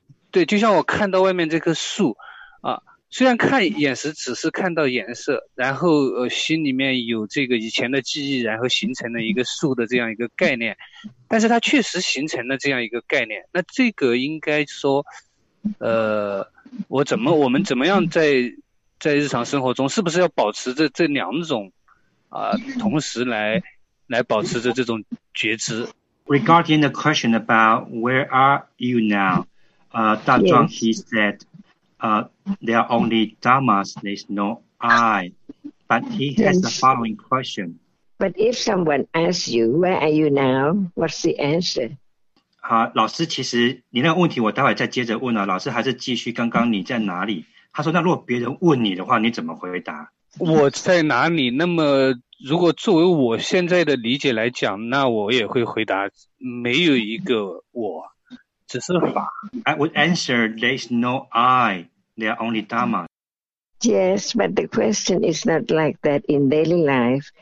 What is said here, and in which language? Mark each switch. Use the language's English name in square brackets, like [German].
[Chinese] 对，就像我看到外面这棵树啊，虽然看眼时只是看到颜色，然后心里面有这个以前的记忆，然后形成了一个树的这样一个概念，但是它确实形成了这样一个概念。那这个应该说，我们怎么样在日常生活中，是不是要保持着这两种啊，同时来保持着这种觉知 [English] ？Regarding the question about where are you now, Da Zhuang he said. There are only dhammas, there's no I. But he has the following question. But if someone asks you, where are you now? What's the answer? [Chinese] 好，老师，其实你那个问题我待会再接着问了。老师还是继续刚刚你在哪里？他说，那如果别人问你的话，你怎么回答？我在哪里？那么如果作为我现在的理解来讲，那我也会回答，没有一个我。只是法。 [English] I would answer, there is no I, there are only Dharma. Yes, but the question is not like that in daily life.